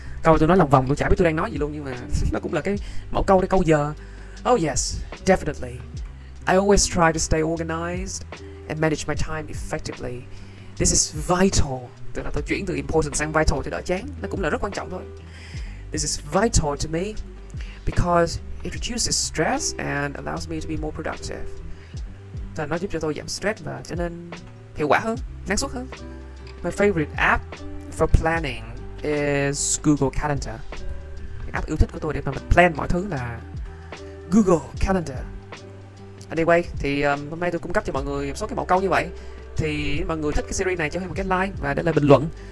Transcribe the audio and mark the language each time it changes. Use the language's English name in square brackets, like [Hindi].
[Vietnamese] Câu tôi nói lòng vòng, tôi chả biết tôi đang nói gì luôn, nhưng mà nó cũng là cái mẫu câu đấy, câu giờ. [English] Oh yes, definitely. I always try to stay organized and manage my time effectively. This is vital. [Vietnamese] Tức là tôi chuyển từ important sang vital thì đỡ chán. Nó cũng là rất quan trọng thôi. [English] This is vital to me because it reduces stress and allows me to be more productive. [Vietnamese] Tức là nó giúp cho tôi giảm stress và trở nên hiệu quả hơn, năng suất hơn. [English] My favorite app for planning is Google Calendar. [Vietnamese] App yêu thích của tôi để mà mình plan mọi thứ là Google Calendar. Anyway, thì hôm nay tôi cung cấp cho mọi người một số cái mẫu câu như vậy. Thì mọi người thích cái series này cho Huy một cái like và để lại bình luận.